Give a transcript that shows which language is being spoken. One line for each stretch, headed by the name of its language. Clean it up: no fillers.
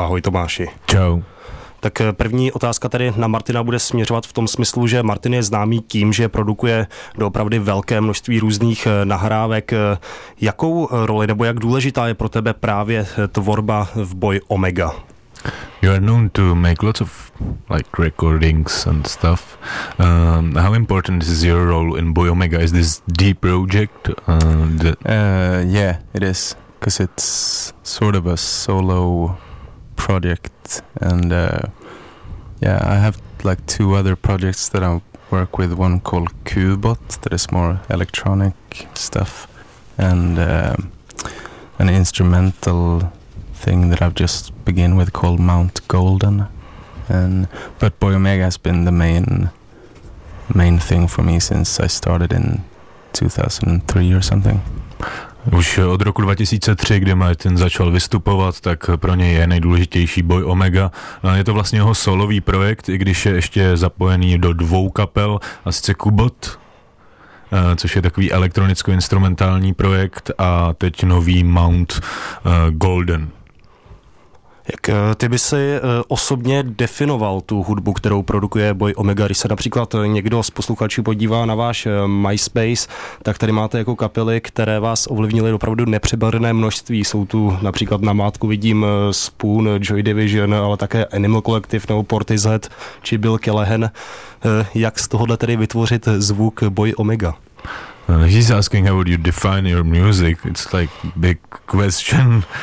Czech: Ahoj, Tomáši. Čau. Tak první otázka tady na Martina bude směřovat v tom smyslu, že Martin je známý tím, že produkuje doopravdy velké množství různých nahrávek. Jakou roli nebo jak důležitá je pro tebe právě tvorba v Boy Omega?
English: You are known to make lots of like recordings and stuff. How important is your role in Boy Omega? Is this the project? Yeah, it is, because it's sort of a solo project. And yeah, I have like two other projects that I work with, one called Cubot that is more electronic stuff, and an instrumental thing that I've just begin with called Mount Golden. And but Boy Omega has been the main thing for me since I started in 2003 or something.
Czech: Už od roku 2003, kdy Martin začal vystupovat, tak pro něj je nejdůležitější Boy Omega. Je to vlastně jeho solový projekt, i když je ještě zapojený do dvou kapel, a sice Cubot, což je takový elektronicko-instrumentální projekt, a teď nový Mount Golden. Jak ty by si osobně definoval tu hudbu, kterou produkuje Boy Omega? Když se například někdo z posluchačů podívá na váš MySpace, tak tady máte jako kapely, které vás ovlivnily opravdu nepřeberné množství. Jsou tu například na mátku vidím Spoon, Joy Division, ale také Animal Collective nebo Portishead či Bill Callahan. Jak z tohohle tedy vytvořit zvuk Boy Omega?
English: He's asking how would you define your music. It's like big question.